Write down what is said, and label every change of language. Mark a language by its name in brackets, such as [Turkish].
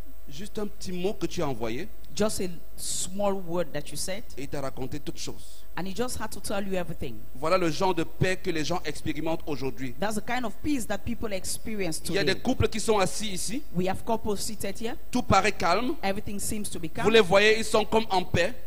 [French] Juste un petit mot que tu as envoyé. [English] Just a small word that you said. [French] Et il t'a raconté toute chose. [English] And he just had to tell you everything. [French] Voilà le genre de paix que les gens expérimentent aujourd'hui. [English] That's the kind of peace that people experience today. [French] Il y a des couples qui sont assis ici. [English] We have couples seated here. [French] Tout paraît calme. [English] Everything seems to be calm. [French] Vous les voyez, ils sont comme en paix.